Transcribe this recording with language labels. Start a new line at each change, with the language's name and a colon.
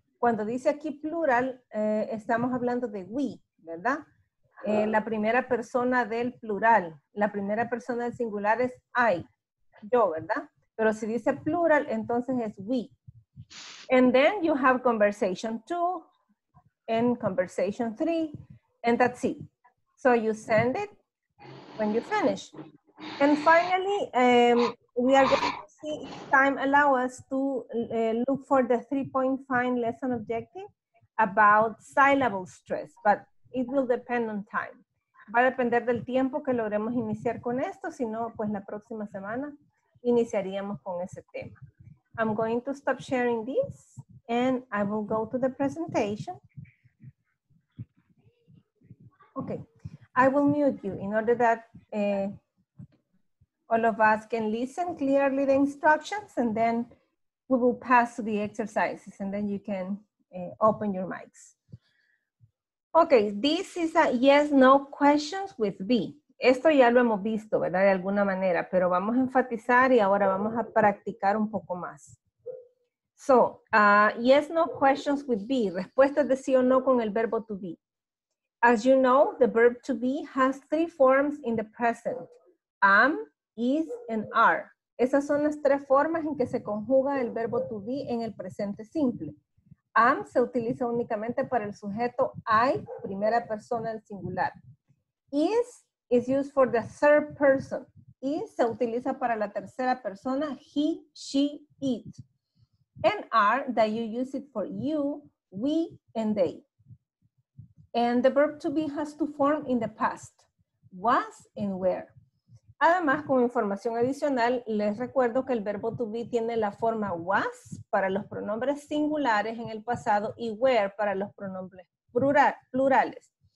Spanish: Cuando dice aquí plural, estamos hablando de we, ¿verdad? La primera persona del plural, la primera persona del singular es I, yo, ¿verdad? Pero si dice plural, entonces es we.
English: And then you have conversation two and conversation three, and that's it. So you send it when you finish. And finally, we are going to see if time allow us to look for the 3.5 lesson objective about syllable stress, but it will depend on time.
Spanish: Va a depender del tiempo que logremos iniciar con esto, si no, pues la próxima semana iniciaríamos con ese tema.
English: I'm going to stop sharing this and I will go to the presentation. Okay, I will mute you in order that all of us can listen clearly the instructions, and then we will pass to the exercises, and then you can open your mics. Okay, this is a yes, no questions with B.
Spanish: Esto ya lo hemos visto, ¿verdad? De alguna manera, pero vamos a enfatizar y ahora vamos a practicar un poco más.
English: So, yes, no questions with B.
Spanish: Respuesta de sí o no con el verbo to be.
English: As you know, the verb to be has three forms in the present. Is and are.
Spanish: Esas son las tres formas en que se conjuga el verbo to be en el presente simple. Am se utiliza únicamente para el sujeto I, primera persona del singular.
English: Is used for the third person.
Spanish: Is se utiliza para la tercera persona,
English: he, she, it. And are, that you use it for you, we, and they. And the verb to be has to form in the past. Was and were.
Spanish: Además, como información adicional, les recuerdo que el verbo to be tiene la forma was para los pronombres singulares en el pasado y were para los pronombres plurales.